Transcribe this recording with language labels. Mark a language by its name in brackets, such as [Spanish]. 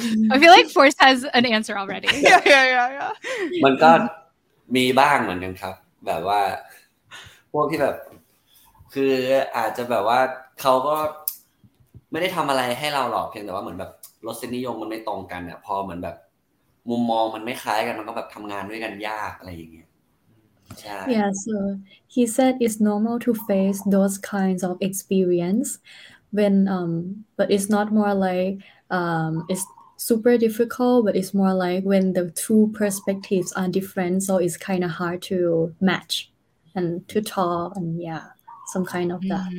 [English] I feel like Force has an answer already. Yeah. [Thai] มันก็มีบ้างเหมือนกันครับแบบว่าพวกที่แบบคืออาจจะแบบว่าเขาก็ไม่ได้ทำอะไรให้เราหรอกเพียงแต่ว่าเหมือนแบบรสนิยมมันไม่ตรงกันเนี่ยพอเหมือนแบบมุมมองมันไม่คล้ายกันมันก็แบบทำงานด้วยกันยากอะไรอย่างเงี้ย [English] Yeah, so he said it's normal to face those kinds of experience when, but it's not more like, it's super difficult, but it's more like when the two perspectives are different, so it's kind of hard to match and to talk and yeah, some kind of that.